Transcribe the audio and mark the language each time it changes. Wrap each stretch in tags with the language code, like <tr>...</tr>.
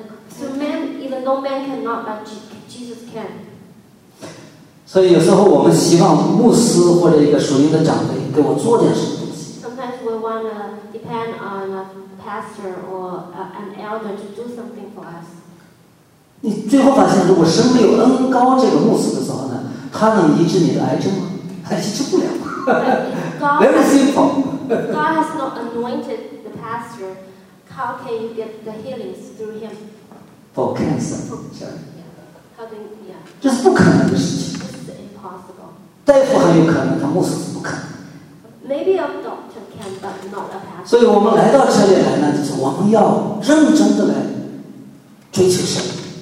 <en>So man, even though man cannot, but Jesus can.</en> <zh>所以有时候我们希望牧师或者一个属灵的长辈给我做点什么东西。</zh> <en>Sometimes we want to depend on a pastor or an elder to do something for us.</en> <zh>你最后发现，如果生命有 N 高这个目测的时候呢，它能医治你的癌症吗？医治不了。</zh> <en>Very simple. God has not anointed the pastor. How can you get the healings through him? For cancer. Yeah. How can yeah?</en> <zh>这是不可能的事情。</zh> <en>This is impossible.</en> <zh>大夫很有可能，他牧师是不可能。</zh> <en>Maybe a doctor can, but not a pastor.</en> <zh>所以我们来到这里来呢，就是我们要认真的来追求神。</zh>